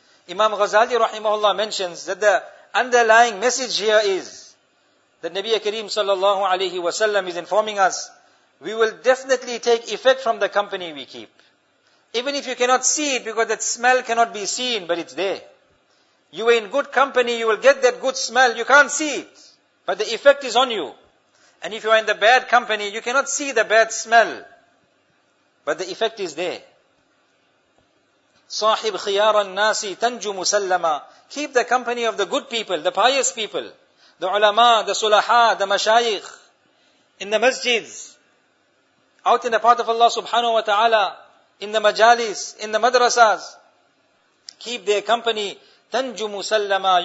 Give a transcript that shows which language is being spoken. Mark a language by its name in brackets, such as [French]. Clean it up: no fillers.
[English] Imam Ghazali rahimahullah mentions that the underlying message here is that Nabi Kareem sallallahu alayhi wa sallam is informing us, we will definitely take effect from the company we keep. Even if you cannot see it, because that smell cannot be seen, but it's there. You are in good company, you will get that good smell, you can't see it. But the effect is on you. And if you are in the bad company, you cannot see the bad smell. But the effect is there. [Arabic] صاحب خيار الناس تنجو مسلما. [English] Keep the company of the good people, the pious people. The ulama, the sulaha, the mashayikh. In the masjids. Out in the path of Allah subhanahu wa ta'ala. In the majalis, in the madrasas. Keep their company. [Arabic] تنجو مسلما.